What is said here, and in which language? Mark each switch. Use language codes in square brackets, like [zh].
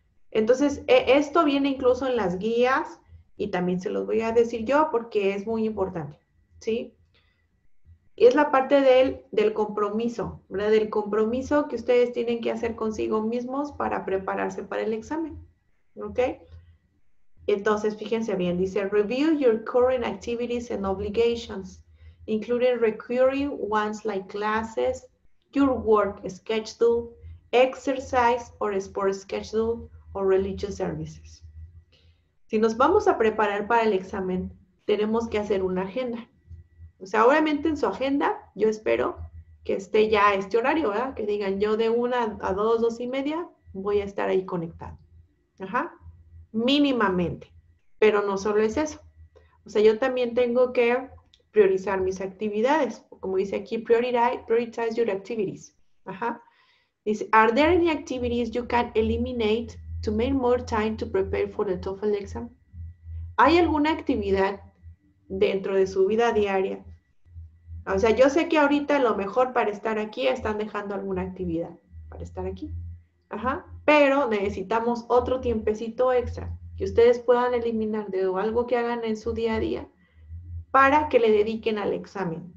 [es] Entonces, esto viene incluso en las guías, y también se los voy a decir yo, porque es muy importante, ¿sí? Y es la parte del compromiso, ¿verdad? Del compromiso que ustedes tienen que hacer consigo mismos para prepararse para el examen, ¿ok? Entonces, fíjense bien, dice, [en] review your current activities and obligations, including recurring ones like classes, your work schedule, exercise or sport schedule, or religious services. [es] Si nos vamos a preparar para el examen, tenemos que hacer una agenda. O sea, obviamente en su agenda, yo espero que esté ya este horario, ¿verdad? Que digan, yo de 1 a 2, 2:30, voy a estar ahí conectado. Ajá. Mínimamente. Pero no solo es eso. O sea, yo también tengo que priorizar mis actividades. Como dice aquí, [en] prioritize your activities. [es] Ajá. Dice, [en] are there any activities you can eliminate to make more time to prepare for the TOEFL exam? [es] ¿Hay alguna actividad dentro de su vida diaria? O sea, yo sé que ahorita lo mejor para estar aquí están dejando alguna actividad para estar aquí. Ajá. Pero necesitamos otro tiempecito extra que ustedes puedan eliminar de algo que hagan en su día a día para que le dediquen al examen.